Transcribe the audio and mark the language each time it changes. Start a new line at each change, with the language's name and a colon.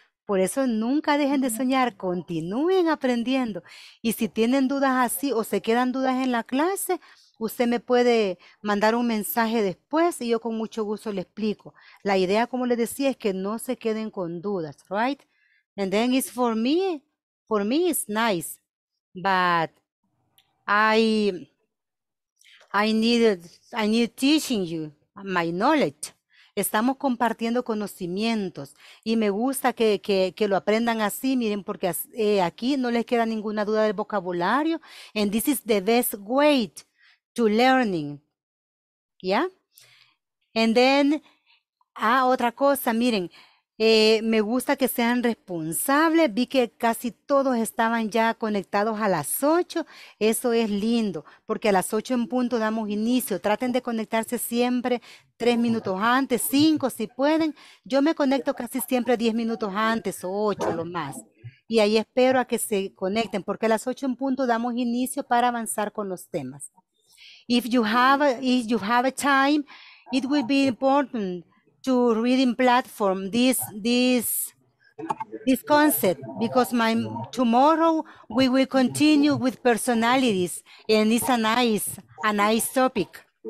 Spanish: Por eso nunca dejen de soñar, continúen aprendiendo. Y si tienen dudas así o se quedan dudas en la clase, usted me puede mandar un mensaje después y yo con mucho gusto le explico. La idea, como les decía, es que no se queden con dudas, right?
English: And then it's for me it's nice, but I need teaching you my knowledge.
Spanish: Estamos compartiendo conocimientos y me gusta que lo aprendan así, miren, porque aquí no les queda ninguna duda del vocabulario.
English: And this is the best way to learning.
Spanish: ¿Ya?
English: Yeah? And then,
Spanish: otra cosa, miren, me gusta que sean responsables. Vi que casi todos estaban ya conectados a las 8. Eso es lindo, porque a las 8 en punto damos inicio. Traten de conectarse siempre 3 minutos antes, 5 si pueden. Yo me conecto casi siempre 10 minutos antes o 8 lo más. Y ahí espero a que se conecten, porque a las 8 en punto damos inicio para avanzar con los temas.
English: If you have a time, it will be important to reading platform this concept, because tomorrow we will continue with personalities and it's a nice topic.